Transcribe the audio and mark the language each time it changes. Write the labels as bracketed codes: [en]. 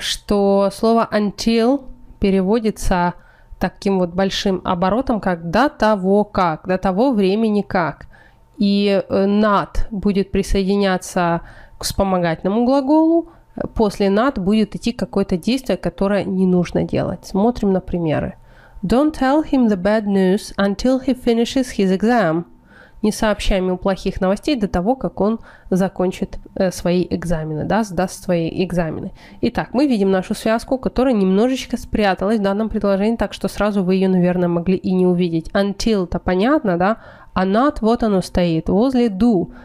[ru] Что слово «until» переводится таким вот большим оборотом, как «до того как», «до того времени как». И «not» будет присоединяться к вспомогательному глаголу. После «not» будет идти какое-то действие, которое не нужно делать. Смотрим на примеры. [en] Don't tell him the bad news until he finishes his exam. [ru] Не сообщай ему плохих новостей до того, как он закончит свои экзамены, да, сдаст свои экзамены. Итак, мы видим нашу связку, которая немножечко спряталась в данном предложении, так что сразу вы ее, наверное, могли и не увидеть. Until-то понятно, да? А not, вот оно стоит, возле do.